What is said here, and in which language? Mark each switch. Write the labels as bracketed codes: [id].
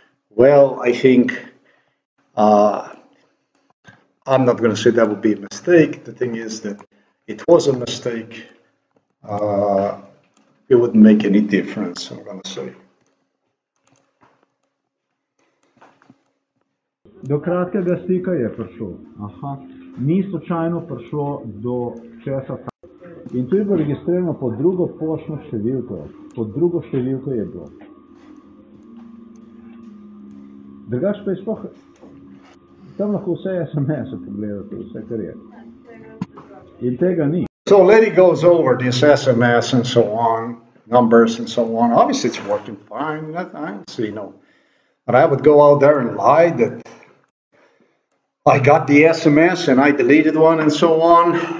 [en] Well, I think I'm not going to say that would be a mistake. The thing is that it was a mistake. It wouldn't make any difference, I'm going to say. [sl] Do kratkega stika je prišlo. Aha. Ni slučajno prišlo do česa. In to je bilo registrirano pod drugo poštno številko. Pod drugo številko je bilo. Drugač pa je sploh, tam lahko vse SMS-e pogledate, vse kar je. In tega ni. [en] So lady goes over this SMS and so on, numbers and so on. Obviously it's working fine, I don't see, no. But I would go out there and lie that I got the SMS and I deleted one and so on.